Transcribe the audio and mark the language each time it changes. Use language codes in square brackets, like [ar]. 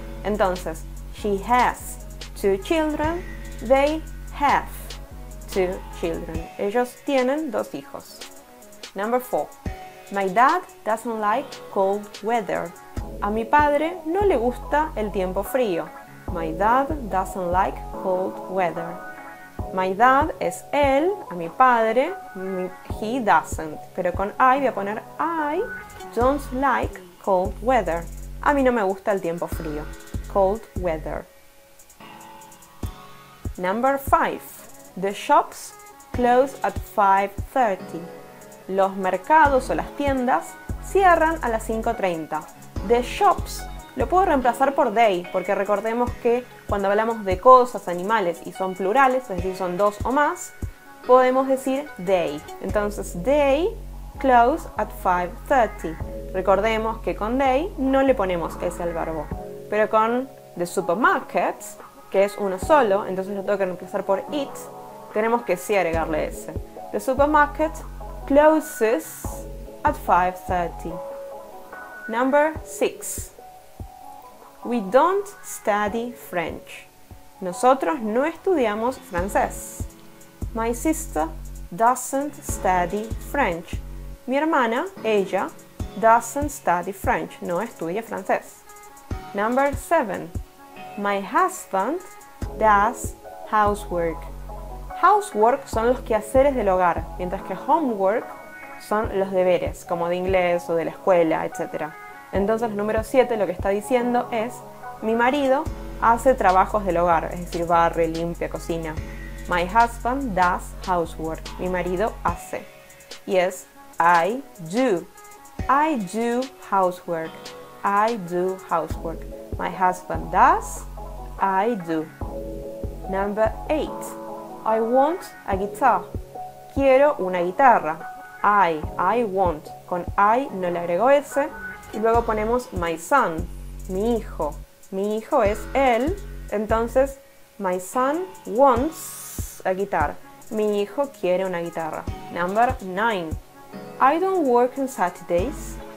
[en] Entonces, she has two children, they have two children. [es] Ellos tienen dos hijos. [en] Number four. My dad doesn't like cold weather. [es] A mi padre no le gusta el tiempo frío. [en] My dad doesn't like cold weather. My dad [es] es él, a mi padre, [en] he doesn't. [es] Pero con I voy a poner [en] I don't like cold weather. [es] A mí no me gusta el tiempo frío. [en] Cold weather. Number 5. The shops close at 5:30. [es] Los mercados o las tiendas cierran a las 5:30. The shops, lo puedo reemplazar por they, porque recordemos que cuando hablamos de cosas, animales y son plurales, es decir, son dos o más, podemos decir they. [en] Entonces, they close at 5:30. [es] Recordemos que con they no le ponemos ese al verbo. Pero con the supermarkets, que es uno solo, entonces lo tengo que reemplazar por it, tenemos que sí agregarle ese. [en] The supermarket closes at 5:30. Number 6. We don't study French. [es] Nosotros no estudiamos francés. [en] My sister doesn't study French. [es] Mi hermana, ella, [en] doesn't study French. [es] No estudia francés. [en] Number 7. My husband does housework. [es] Housework son los quehaceres del hogar, mientras que homework son los deberes, como de inglés o de la escuela, etc. Entonces, el número 7 lo que está diciendo es: mi marido hace trabajos del hogar, es decir, barre, limpia, cocina. [en] My husband does housework. [es] Mi marido hace. Y es [en] I do. I do housework. I do housework. My husband does. I do. Number 8. I want a guitar. [es] Quiero una guitarra. [en] I want. [es] Con I no le agrego S. Y luego ponemos my son, mi hijo. Mi hijo es él, entonces [en] My son wants a guitar. [es] Mi hijo quiere una guitarra. [en] Number 9. I don't work on Saturdays.